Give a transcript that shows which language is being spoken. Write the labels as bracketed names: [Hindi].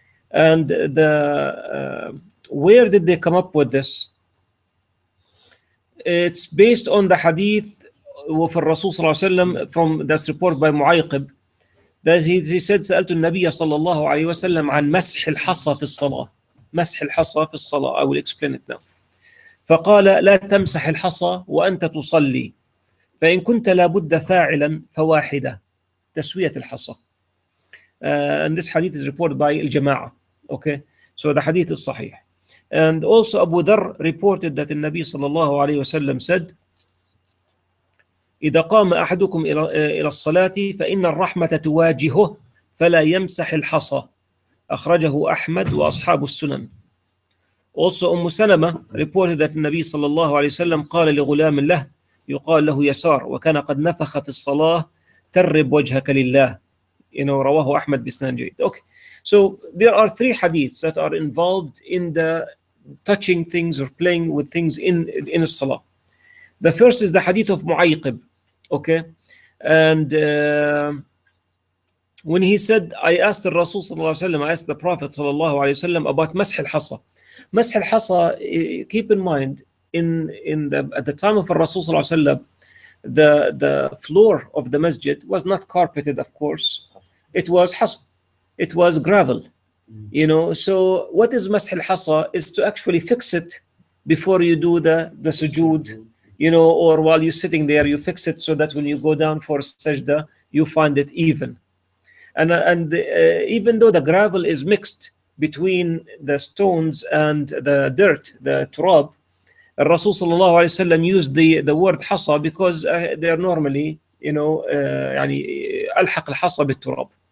[English] And the where did they come up with this? It's based on the hadith of Rasul Sallallahu Alaihi Wasallam from that's reported by Mu'ayqib. He said, [Arabic] سألت النبي صلى الله عليه وسلم عن مسح الحصى في الصلاة. مسح الحصى في الصلاة. [English] I will explain it now. [Arabic] فقال لا تمسح الحصى وأنت تصلي. فإن كنت لابد فاعلا فواحدة. تسوية الحصى. [English] And this hadith is reported by الجماعة. Okay. So the hadith is صحيح. And also Abu Dhar reported that [Arabic] النبي صلى الله عليه وسلم said, إذا قام أحدكم إلى الصلاة فإن الرحمة تواجهه فلا يمسح الحصى أخرجه أحمد وأصحاب السنن. [English] Also [Arabic] أم سلمة [English] reported that [Arabic] النبي صلى الله عليه وسلم قال لغلام له يقال له يسار وكان قد نفخ في الصلاة ترب وجهك لله. رواه أحمد بإسناد جيد. [English] Okay, so there are three hadiths that are involved in the touching things or playing with things in the salah. The first is the hadith of Mu'ayqib, okay? And when he said, I asked the Rasul Sallallahu Alaihi Wasallam, I asked the Prophet Sallallahu Alaihi Wasallam about Masih al-Hasa. Masih al-Hasa, keep in mind, at the time of the Rasul Sallallahu Alaihi Wasallam, the floor of the masjid was not carpeted, of course. It was hasa. It was gravel, So what is Masih al-Hasa is to actually fix it before you do the sujood, or while you're sitting there, you fix it so that when you go down for sajda, you find it even. And even though the gravel is mixed between the stones and the dirt, the turab, Rasul sallallahu alayhi wa sallam used the word hasa because they're normally, you know, [Arabic] يعني ألحق الحصى بالتراب.